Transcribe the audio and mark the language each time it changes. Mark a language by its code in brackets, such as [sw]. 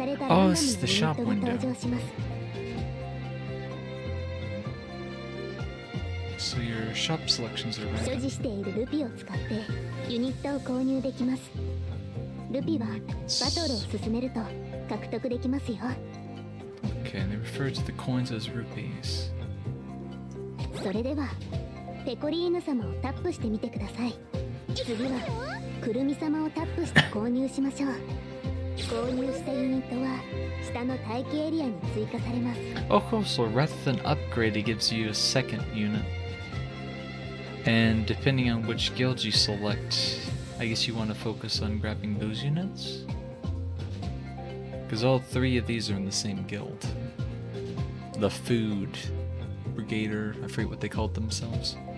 [en] Oh, it's the shop window. So your shop selections are random. [ja] 所持しているルピを使ってユニットを購入できます. ルピはバトルを進めると獲得できますよ. [en] Okay, and they refer to the coins as rupees. [ja] それではペコリーヌ様をタップしてみてください. 次はクルミ様をタップして購入しましょう. 購入したユニットは下の待機エリアに追加されます. [en] Of course, so rather than upgrade, it gives you a second unit. And depending on which guild you select, I guess you want to focus on grabbing those units? Because all three of these are in the same guild. The Food Brigader, I forget what they called themselves.